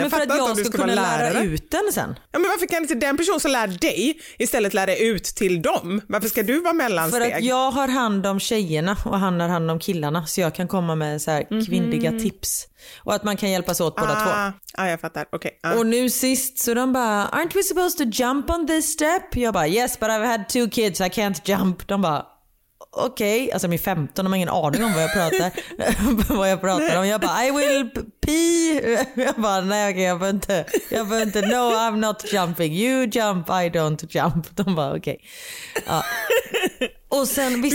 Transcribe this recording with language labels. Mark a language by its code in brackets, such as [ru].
[sv] Men för att jag ska kunna lära ut den sen. Ja, men varför kan inte den person som lär dig istället lära ut till dem? Varför ska du vara mellansteg? För att jag har hand om tjejerna och han har hand om killarna, så jag kan komma med så här kvinnliga tips. Och att man kan hjälpas åt båda två. Ja, jag fattar. Okay. Och nu sist så de bara, [en] aren't we supposed to jump on this step? [sv] Jag bara, [en] yes, but I've had 2 kids, I can't jump. [sv] De bara... Okej, okay. Alltså min 15, de har ingen aning om vad jag pratar vad jag pratar om. Jag bara, [en] I will pee. [sv] Jag bara, nej, okej, jag får inte. Jag får inte, [en] no, I'm not jumping. You jump, I don't jump. [sv] De bara, okej. Och sen vissa,